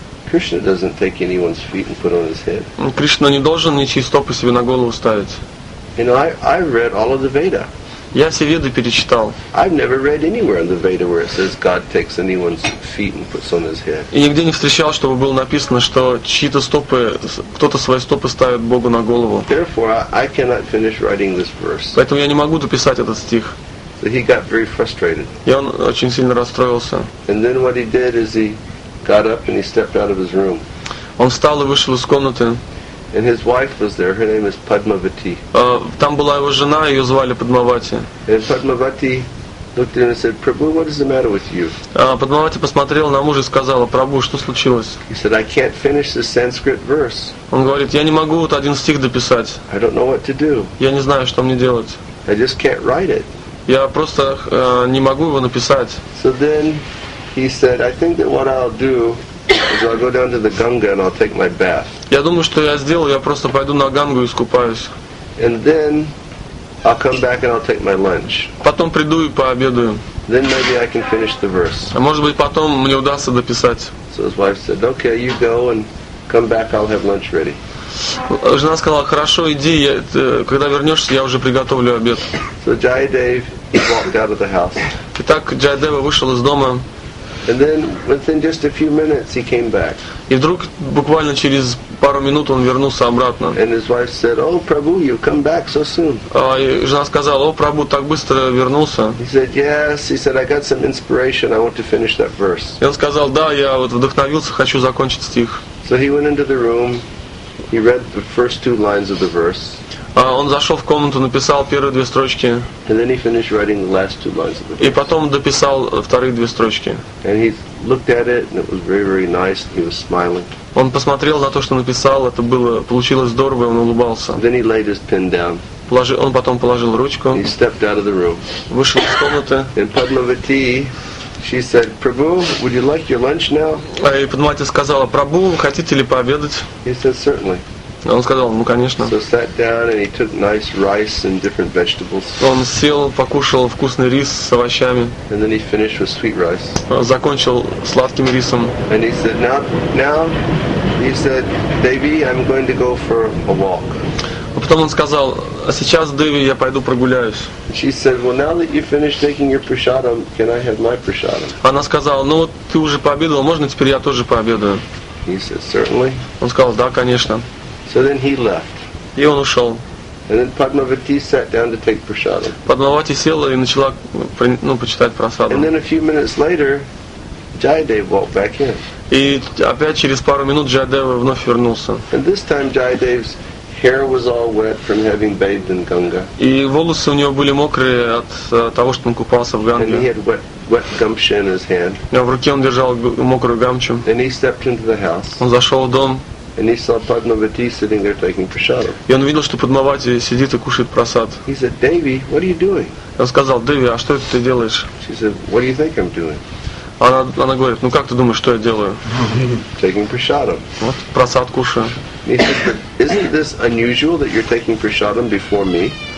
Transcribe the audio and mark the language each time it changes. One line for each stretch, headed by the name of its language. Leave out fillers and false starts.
English: Krishna doesn't take anyone's feet and put on his head.
Russian: Кришна не должен ничьи стопы себе на голову ставить.
English: You know, I read all of the Veda.
Russian: Я все Веды перечитал.
English: I've never read anywhere in the Veda where it says God takes anyone's feet and puts on his head.
Russian: И нигде не встречал, чтобы было написано, что чьи-то стопы, кто-то свои стопы ставит Богу на голову.
English: Therefore, I cannot finish writing this verse.
Russian: Поэтому я не могу дописать этот стих.
English: So he got very frustrated.
Russian: И он очень сильно расстроился.
English: And then what he did is he got up and he stepped out of his room.
Russian: Он встал и вышел из комнаты.
English: And his wife was there. Her name is Padmavati.
Russian: Там была его жена, ее звали Padmavati.
English: And Padmavati looked at him and said, Prabhu, what is the matter with you?
Russian: Padмавати посмотрела на мужа и сказала, Прабху, что случилось?
English: He said, I can't finish the Sanskrit verse.
Russian: Он говорит, я не могу вот один стих дописать.
English: I don't know what to do.
Russian: Я не знаю, что мне делать.
English: I just can't write it.
Russian: Я просто не могу его написать.
English: So then he said, I think that what I'll do is I'll go down to the Ganga and I'll take my bath.
Russian: Я думаю, что я сделаю, я просто пойду на Гангу и искупаюсь.
English: And then I'll come back and I'll take my lunch.
Russian: Потом приду и пообедаю.
English: Then maybe I can finish the verse.
Russian: А может быть потом мне удастся дописать.
English: So his wife said, "Okay, you go and come back. I'll have lunch ready."
Russian: Жена сказала, "Хорошо, иди. Когда вернешься, я уже приготовлю обед."
English: So Jayadev walked out of the house.
Russian: Итак, Джайдева вышел из дома.
English: And then within just a few minutes he came back.
Russian: И вдруг буквально через пару минут он вернулся обратно.
English: And his wife said, "Oh, Prabhu, you come back so soon."
Russian: И жена сказала, "О, Прабху, так быстро вернулся."
English: He said, "Yes." He said, "I got some inspiration. I want to finish that verse."
Russian: И он сказал, "Да, я вот вдохновился, хочу закончить стих."
English: So he went into the room. He read the first two lines of the verse.
Russian: Он зашел в комнату, написал первые две строчки.
English: And then he finished writing the last two lines of the verse.
Russian: И потом дописал вторые две строчки.
English: And he looked at it, and it was very, very nice. He was smiling.
Russian: Он посмотрел на то, что написал, это было, получилось здорово, и он улыбался.
English: Then he laid his pen down.
Russian: Он потом положил ручку.
English: He stepped out of the room.
Russian: Вышел из комнаты.
English: And Padмавати, she said, "Prabhu, would you like your lunch now?"
Russian: И Падмавати сказала, "Прабху, хотите ли пообедать?"
English: He said, "Certainly."
Russian: Он сказал, ну конечно.
English: So sat down and he took nice rice and different vegetables.
Russian: Он сел, покушал вкусный рис с овощами.
English: And then he finished with sweet rice.
Russian: Закончил сладким рисом.
English: And he said, now, he said, "Devi, I'm going to go for a walk."
Russian: А потом он сказал, а сейчас, Деви, я пойду прогуляюсь.
English: She said, "Well, now that you finished taking your prasadam, can I have my prasadam?"
Russian: Она сказала, ну вот ты уже пообедал, можно теперь я тоже пообедаю.
English: He said, "Certainly."
Russian: Он сказал, да, конечно.
English: So then he left.
Russian: И он ушел.
English: And then Padмавати sat down to take prasadam.
Russian: Падмавати села и начала почитать прасаду.
English: And then a few minutes later, Jayadev walked back in.
Russian: И опять через пару минут Джайдев вновь вернулся.
English: And this time Jayadev's hair was all wet from having bathed in Ganga.
Russian: И волосы у него были мокрые от того, что он купался в Ганге.
English: And he had wet gumption in his hand.
Russian: А в руке он держал мокрую гамчу.
English: And he stepped into the house.
Russian: Он зашел в дом.
English: And he saw Padmavati sitting there taking prasadam.
Russian: И он видел, что Падмавати сидит и кушает прасад.
English: He said, "Devi, what are you doing?"
Russian: Он сказал, "Деви, а что это ты делаешь?"
English: She said, "What do you think I'm doing?"
Russian: Она говорит, ну как ты думаешь, что я делаю?
English: Taking prasadam.
Russian: Вот прасад кушаю.
English: He said, "But isn't this unusual that you're taking prasadam before me?"